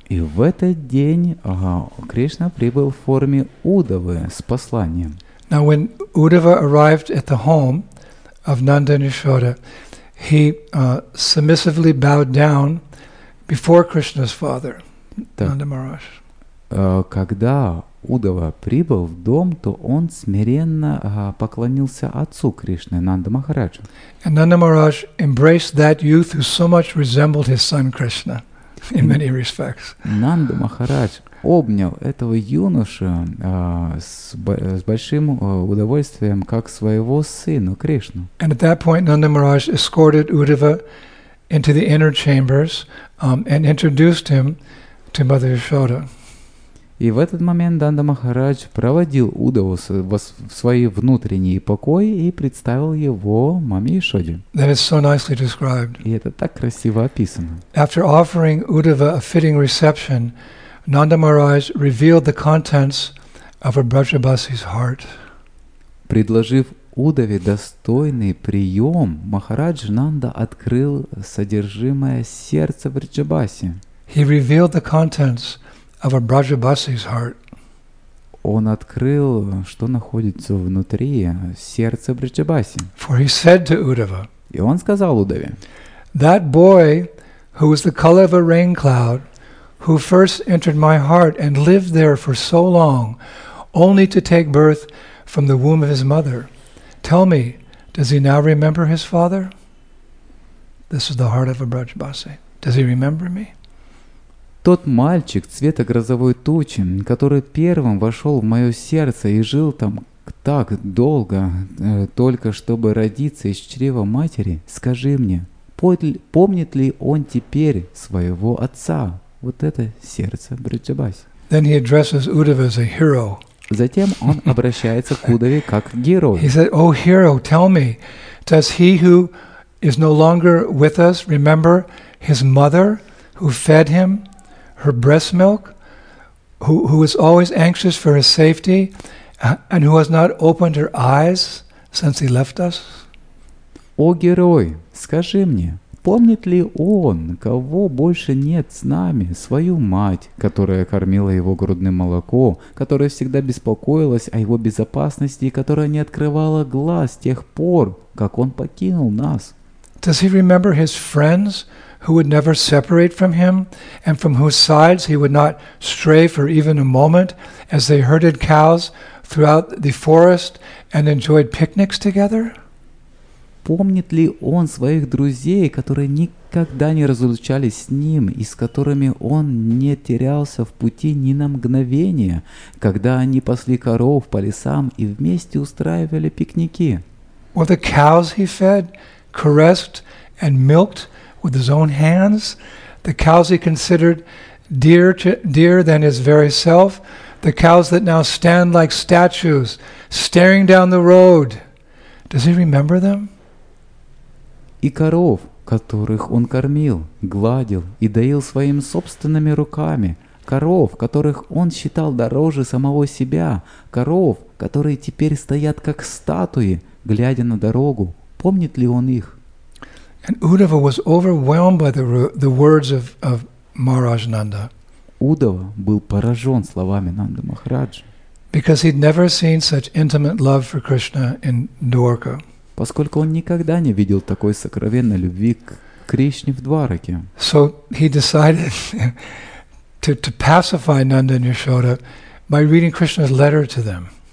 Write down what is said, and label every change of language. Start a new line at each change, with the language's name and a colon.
Russian: И в этот день Кришна прибыл в форме Удавы с посланием.
English: Now, when Uddhava arrived at the home of Nanda and Yashoda, He submissively bowed down before Krishna's father, Nanda Maharaj.
Russian: Когда Удава прибыл в дом, то он смиренно поклонился отцу Кришны, Нанда Махараджу.
English: And Nanda Maharaj embraced that youth who so much resembled his son Krishna. in many respects.
Russian: Нанда Махарадж обнял этого юношу с большим удовольствием, как своего сына Кришну.
English: And at that point, Nanda Maharaj escorted Uddhava into the inner chambers and introduced him to Mother Yashoda.
Russian: И в этот момент Нанда Махарадж проводил Уддаву в свои внутренние покои и представил его маме Яшоде.
English: That is so nicely described.
Russian: И это так красиво описано.
English: After offering Uddhava a fitting reception, Nanda Maharaj revealed the contents of a Brajabasi's heart.
Russian: Предложив Уддаве достойный прием, Махарадж Нанда открыл содержимое сердца Брджабаси.
English: He revealed the contents of a Brajabasi's heart.
Russian: Он открыл, что находится внутри сердца Брджабаси.
English: For he said to Uddhava,
Russian: и он сказал Уддаве,
English: that boy who was the color of a rain cloud, who first entered my heart and lived there for so long, only to take birth from the womb of his mother. Tell me, does he now remember his father? This is the heart of a Brajabasi. Does he remember me?
Russian: Тот мальчик цвета грозовой тучи, который первым вошел в мое сердце и жил там так долго, только чтобы родиться из чрева матери, скажи мне, помнит ли он теперь своего отца? Вот это сердце Брджабаси.
English: Then he addresses Uddhava as a hero.
Russian: Затем он обращается к Уддаве как к герою.
English: He said, "O hero, tell me, does he who is no longer with us remember his mother who fed him her breast milk, who was always anxious for his safety, and who has not opened her eyes since he left us?"
Russian: О герой, скажи мне, помнит ли он, кого больше нет с нами, свою мать, которая кормила его грудным молоком, которая всегда беспокоилась о его безопасности и которая не открывала глаз с тех пор, как он покинул нас?
English: Does he remember his friends, who would never separate from him, and from whose sides he would not stray for even a moment, as they herded cows throughout the forest and enjoyed picnics together?
Russian: Помнит ли он своих друзей, которые никогда не разлучались с ним, и с которыми он не терялся в пути ни на мгновение, когда они пасли коров по лесам и вместе устраивали пикники?
English: Were the cows he fed, caressed, and milked with his own hands, the cows he considered dearer than his very self, the cows that now stand like statues, staring down the road. Does he remember them?
Russian: И коров, которых он кормил, гладил и доил своими собственными руками, коров, которых он считал дороже самого себя, коров, которые теперь стоят как статуи, глядя на дорогу, помнит ли он их?
English: And Uddhava was overwhelmed by the words of Maharaj Nanda.
Russian: Уддава был поражен словами Нанды Махараджи.
English: Because he'd never seen such intimate love for Krishna in Dwarka.
Russian: Поскольку он никогда не видел такой сокровенной любви к Кришне в Двараке.
English: So he decided to pacify Nanda and Yashoda by reading Krishna's letter to them.